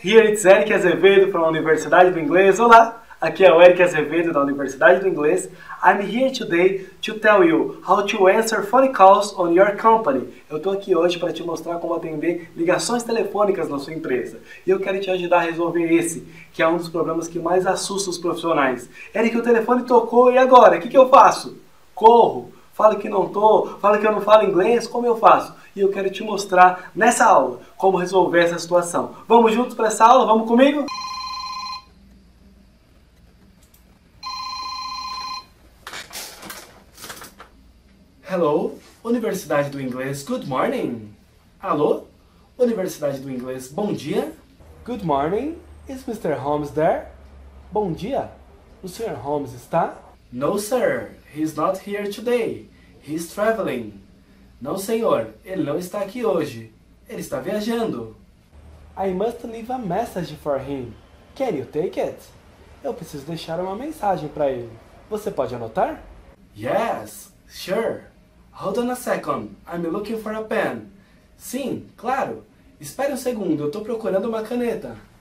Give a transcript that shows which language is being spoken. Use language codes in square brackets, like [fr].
[en] Here it's Eric Azevedo from Universidade do Inglês. [pt] Olá! Aqui é o Eric Azevedo da Universidade do Inglês. [en] I'm here today to tell you how to answer phone calls on your company. [pt] Eu estou aqui hoje para te mostrar como atender ligações telefônicas na sua empresa. E eu quero te ajudar a resolver esse, que é um dos problemas que mais assusta os profissionais. Eric, o telefone tocou e agora? O que que eu faço? Corro! Fala que não tô, fala que eu não falo inglês, como eu faço? E eu quero te mostrar nessa aula como resolver essa situação. Vamos juntos para essa aula? Vamos comigo? [en] Hello, Universidade do Inglês, good morning. [pt] Alô, Universidade do Inglês, bom dia. [en] Good morning, is Mr. Holmes there? [pt] Bom dia, o Sr. Holmes está? [en] No, sir, he's not here today. He's traveling. [pt] Não, senhor, ele não está aqui hoje. Ele está viajando. [en] I must leave a message for him. Can you take it? [pt] Eu preciso deixar uma mensagem para ele. Você pode anotar? [en] Yes, sure. Hold on a second. I'm looking for a pen. [pt] Sim, claro. Espere um segundo, eu estou procurando uma caneta.